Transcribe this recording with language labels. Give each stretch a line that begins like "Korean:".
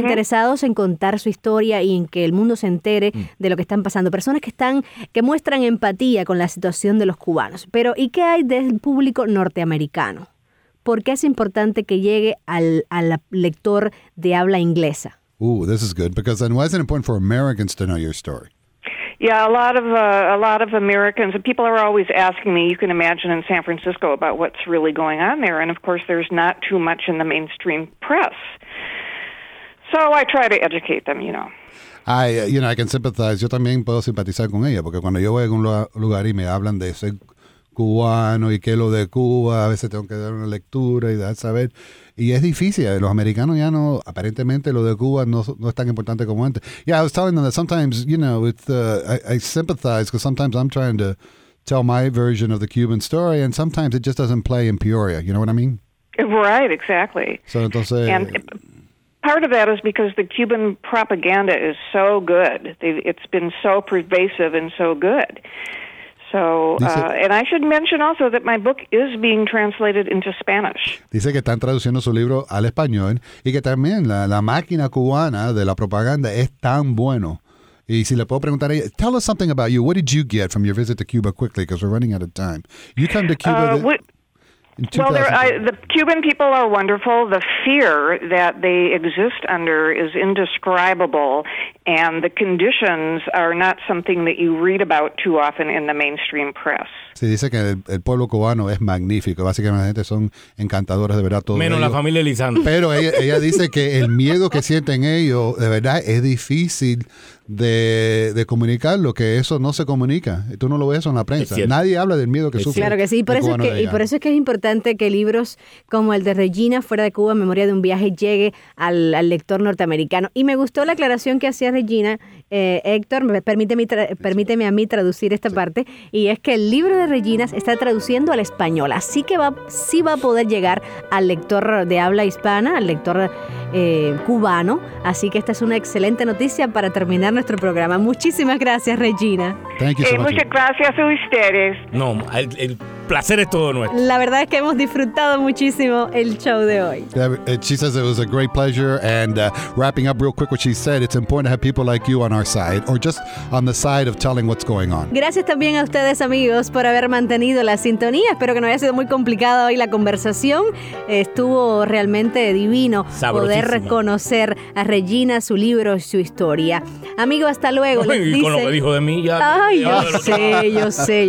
Spanish: interesados en contar su historia y en que el mundo se entere uh-huh. de lo que están pasando. Personas que muestran empatía con la situación de los cubanos. Pero, ¿y qué hay del público norteamericano? ¿Por qué es importante que llegue al lector de habla inglesa?
English: This is good, because then why is it important for Americans to know your story? Yeah, a lot of Americans, and people are always asking me, you can imagine in San Francisco, about what's really going on there. And of course, there's not too much in the mainstream press. So I try to educate them, you know. I can sympathize.
Spanish: Yo también puedo simpatizar con ella, porque cuando yo voy a algún lugar y me hablan de ser cubano y que lo de Cuba, a veces tengo que dar una lectura y dar saber. Y es difícil. Los americanos ya no, aparentemente lo de Cuba no es tan importante como antes.
English: Yeah, I was telling them that sometimes, you know, I sympathize because sometimes I'm trying to tell my version of the Cuban story and sometimes it just doesn't play in Peoria. You know what I mean? Right, exactly.
Spanish: So entonces...
English: Part of that is because the Cuban propaganda is so good. It's been so pervasive and so good. So, and I should mention also that my book is being translated into Spanish.
Spanish: Dice que están traduciendo su libro al español y que también la máquina cubana de la propaganda es tan bueno. Y si le puedo preguntar a ella,
English: tell us something about you. What did you get from your visit to Cuba quickly? Because we're running out of time. You come to Cuba... Well, the Cuban people are wonderful. The fear that they exist under is indescribable, and the conditions are not something that you read about too often in the mainstream press.
Spanish: Se dice que el pueblo cubano es magnífico. Básicamente son encantadores, de verdad, todos. Menos ellos. La familia Lizán. Pero ella dice que el miedo que sienten ellos, de verdad, es difícil de comunicarlo, que eso no se comunica. Tú no lo ves eso en la prensa. Nadie habla del miedo que sufre. Claro que sí. Y por eso es que es importante que libros como el de Regina, Fuera de Cuba, Memoria de un Viaje, llegue al lector norteamericano. Y me gustó la aclaración que hacía Regina. Héctor, permíteme a mí traducir esta parte. Y es que el libro de Regina está traduciendo al español. Así que va a poder llegar al lector de habla hispana, al lector cubano. Así que esta es una excelente noticia para terminar nuestro programa. Muchísimas gracias, Regina.
English: Thank you so much.
Spanish: Muchas gracias a ustedes. No, el placer es todo nuestro. La verdad es que hemos disfrutado muchísimo el show de hoy.
English: She says it was a great pleasure. And wrapping up real quick what she said, it's important to have people like you on our side, or just on the side of telling what's going on.
Spanish: Gracias también a ustedes, amigos, por haber mantenido la sintonía. Espero que no haya sido muy complicada hoy la conversación. Estuvo realmente divino poder reconocer a Regina, su libro y su historia. Amigo, hasta luego. Y dice... con lo que dijo de mí, ya. Ay, yo sé.